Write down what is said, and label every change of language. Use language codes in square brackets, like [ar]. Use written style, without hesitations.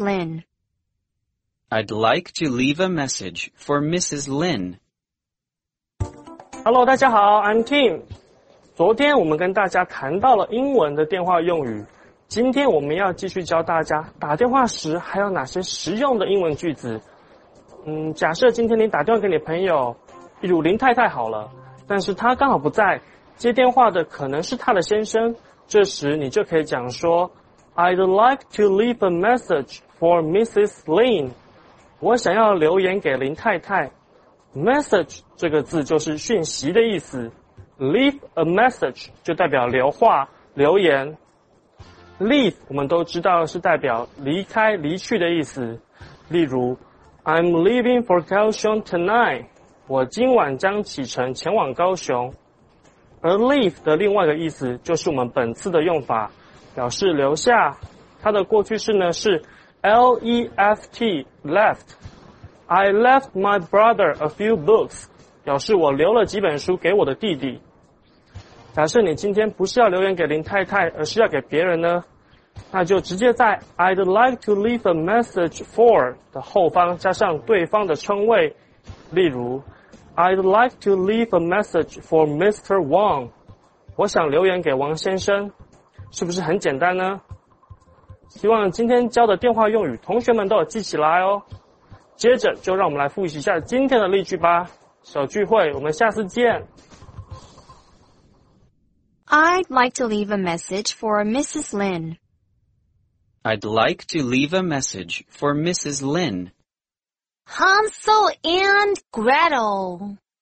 [en] Lin. I'd like to leave a message for Mrs. Lin. Hello, [zh] 大家好 [en] I'm Tim. [zh] 昨天我们跟大家谈到了英文的电话用语，今天我们要继续教大家打电话时还有哪些实用的英文句子。假设今天你打电话给你朋友，比如林太太好了，但是她刚好不在，接电话的可能是她的先生，这时你就可以讲说 [en] I'd like to leave a message for Mrs. [zh] Lin. 我想要留言给林太太。 Message 这个字就是讯息的意思， [en] Leave a message [zh] 就代表留话、留言。 Leave 我们都知道是代表离开、离去的意思。 [en] 例如 ，I'm leaving for Kaohsiung tonight. [zh] 我今晚将启程前往高雄。而 leave 的另外一个意思就是我们本次的用法，表示留下。它的过去式呢是 left, left. [en] I left my brother a few books. [zh] 表示我留了几本书给我的弟弟。假设你今天不是要留言给林太太，而是要给别人呢，那就直接在 [en] I'd like to leave a message for [zh] 的后方加上对方的称谓。 [en] 例如 I'd like to leave a message for Mr. Wang. [zh] 我想留言给王先生，是不是很简单呢？希望今天教的电话用语同学们都有记起来哦。接着就让我们来复习一下今天的例句吧。小聚会，我们下次见。 [en] I'd like to leave a message for Mrs. Lin. I'd like to leave a message for Mrs. Lin. Hansel and Gretel.